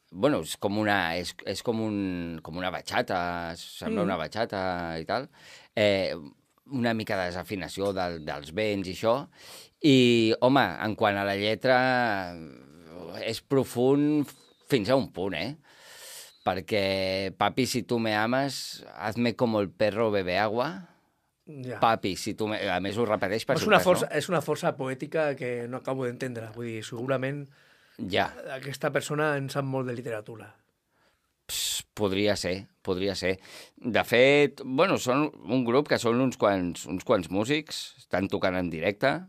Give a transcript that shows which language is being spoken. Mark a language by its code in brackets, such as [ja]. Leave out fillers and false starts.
[ca] Bueno, és com una, és com un, com una bachata, sembla una bachata i tal. Una mica de desafinació dels vents i això. I, home, en quant a la lletra, és profund fins a un punt, eh? [es] Perquè, papi, si tu me ames, hazme como el perro bebe agua... [ca] Ja. [es] Papi, si tu... [ca] A més, ho repeteix per és una força, no? És una força poètica que no acabo d'entendre. Vull dir, segurament ja. aquesta persona en sap molt de literatura. Psst, podria ser, podria ser. De fet, bueno, són un grup que són uns quants músics, estan tocant en directe.